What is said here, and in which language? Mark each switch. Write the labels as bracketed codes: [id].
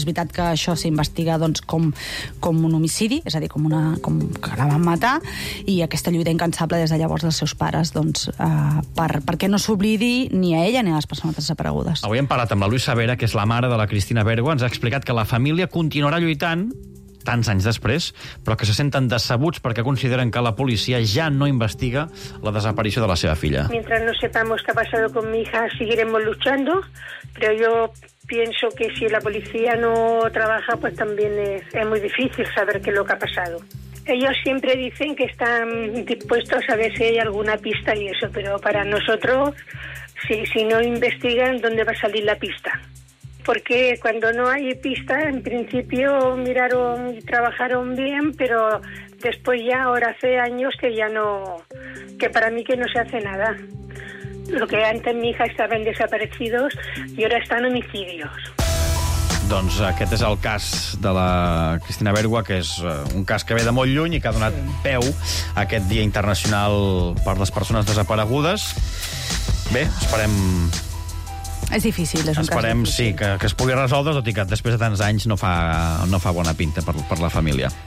[ca] És veritat que això s'investiga doncs, com un homicidi, és a dir, com que la van matar, i aquesta lluita incansable des de llavors dels seus pares, doncs, perquè no s'oblidi ni a ella ni a les persones desaparegudes. Avui hem parlat amb la Luisa Vera, que és la mare de la Cristina Bergua, ens ha explicat que la família continuarà lluitant tants anys després, però que se senten decebuts perquè consideren que la policia ja no investiga la desaparició de la seva filla. [es] Mientras no sepamos qué ha pasado con mi hija, seguiremos luchando, pero yo pienso que si la policía no trabaja, pues también es muy difícil saber qué es lo que ha pasado. Ellos siempre dicen que están dispuestos a ver si hay alguna pista y eso, pero para nosotros, si no investigan, ¿dónde va a salir la pista? Porque cuando no hay pista, en principio miraron y trabajaron bien, pero después ya, ahora hace años que ya no, que para mí que no se hace nada. Lo que antes mi hija estaba en desaparecidos y ahora están homicidios. [ca] Doncs aquest és el cas de la Cristina Bergua, que és un cas que ve de molt lluny i que ha donat peu a aquest Dia Internacional per les Persones Desaparegudes. Bé, esperem... És difícil, és un Esperem, cas difícil. Sí, que es pugui resoldre, tot i que després de tants anys no fa bona pinta per la família.